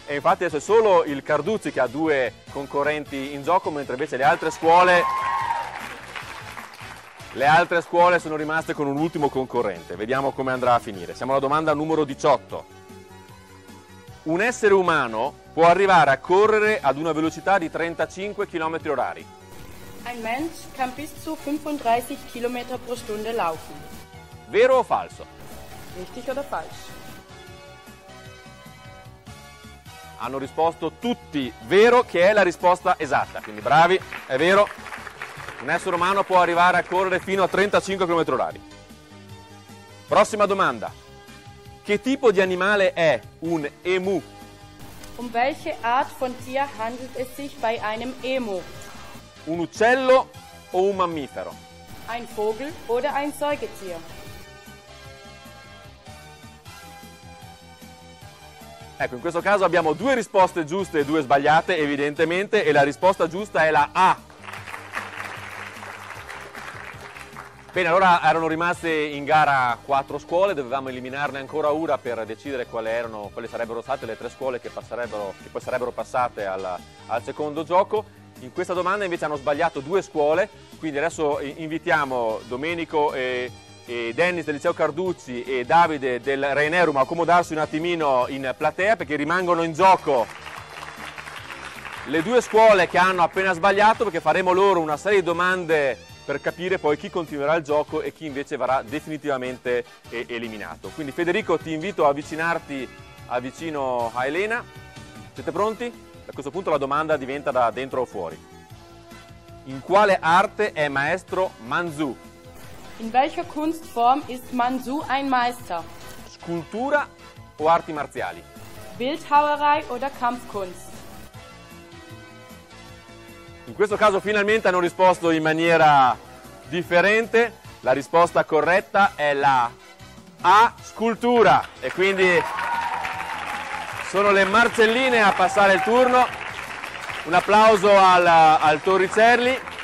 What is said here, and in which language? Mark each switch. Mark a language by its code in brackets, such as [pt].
[it] E infatti adesso è solo il Carducci che ha due concorrenti in gioco, mentre invece le altre scuole sono rimaste con un ultimo concorrente. Vediamo come andrà a finire. Siamo alla domanda numero 18. Un essere umano può arrivare a correre ad una velocità di 35 km orari. [de] Ein Mensch kann bis zu 35 km pro Stunde laufen. [it] Vero o falso? [de] Richtig oder falsch? [it] Hanno risposto tutti vero, che è la risposta esatta. Quindi bravi, è vero. Un essere umano può arrivare a correre fino a 35 km orari. Prossima domanda. Che tipo di animale è un emu? [de] Um welche Art von Tier handelt es sich bei einem Emu? [it] Un uccello o un mammifero? [de] Ein Vogel oder ein Säugetier? [it] Ecco, in questo caso abbiamo due risposte giuste e due sbagliate, evidentemente, e la risposta giusta è la A. Bene, allora erano rimaste in gara quattro scuole, dovevamo eliminarne ancora una per decidere quali sarebbero state le tre scuole che poi sarebbero passate al secondo gioco. In questa domanda invece hanno sbagliato due scuole, quindi adesso invitiamo Domenico e Dennis del Liceo Carducci e Davide del Reinerum a accomodarsi un attimino in platea, perché rimangono in gioco le due scuole che hanno appena sbagliato, perché faremo loro una serie di domande per capire poi chi continuerà il gioco e chi invece verrà definitivamente eliminato. Quindi Federico, ti invito a avvicinarti vicino a Elena. Siete pronti? A questo punto la domanda diventa da dentro o fuori. In quale arte è maestro Manzù? [de] In welcher Kunstform ist Manzù ein Meister? [it] Scultura o arti marziali? [de] Bildhauerei oder Kampfkunst? [it] In questo caso finalmente hanno risposto in maniera differente. La risposta corretta è la A, scultura. E quindi sono le Marcelline a passare il turno. Un applauso al Torricelli.